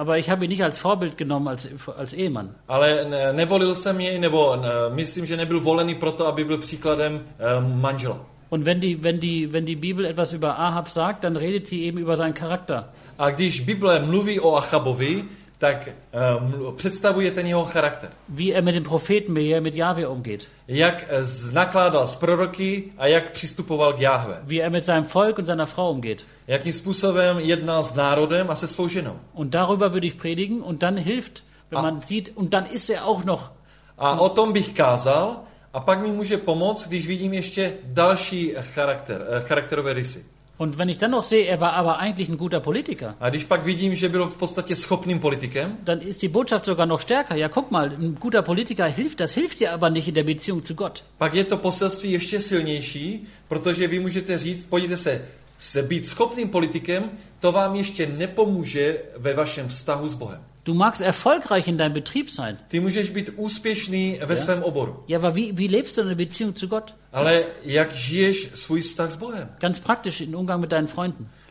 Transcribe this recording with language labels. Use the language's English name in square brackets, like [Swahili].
[German] Aber ich habe ihn nicht als Vorbild genommen als Ehemann. [Czech] Ale nevolil jsem jej, nebo myslím, že nebyl volený proto, aby byl příkladem manžela. [German] Und wenn die Bibel etwas über Ahab sagt, dann redet sie eben über seinen Charakter. [Czech] A když Bible mluví o Achabovi, tak představuje ten jeho charakter. [German] Wie er mit den Propheten, wie er mit Jahwe umgeht. [Czech] Jak nakládal s proroky a jak přistupoval k Jahwe. [German] Wie er mit seinem Volk und seiner Frau umgeht. [Czech] Jakým způsobem jednal s národem a se svou ženou. [German] Und darüber würde ich predigen und dann hilft, wenn man sieht und dann ist er auch noch. [Czech] A o tom bych kázal. A pak mi může pomoct, když vidím ještě další charakterové rysy. [German] Und wenn ich dann noch sehe, er war aber eigentlich ein guter Politiker. [Czech] A když pak vidím, že byl v podstatě schopným politikem, [German] dann ist die Botschaft sogar noch stärker. Ja, guck mal, ein guter Politiker hilft, das hilft dir aber nicht in der Beziehung zu Gott. [Czech] Pak je to poselství ještě silnější, protože vy můžete říct, podívejte se, se být schopným politikem, to vám ještě nepomůže ve vašem vztahu s Bohem. [German] Du magst erfolgreich in deinem Betrieb sein. [Czech] Ty můžeš být úspěšný ve svém oboru. [German] Ja, aber wie lebst du in der Beziehung zu Gott? [Czech] Ale jak žiješ svůj vztah s Bohem? [German] Ganz praktisch im Umgang mit deinen Freunden.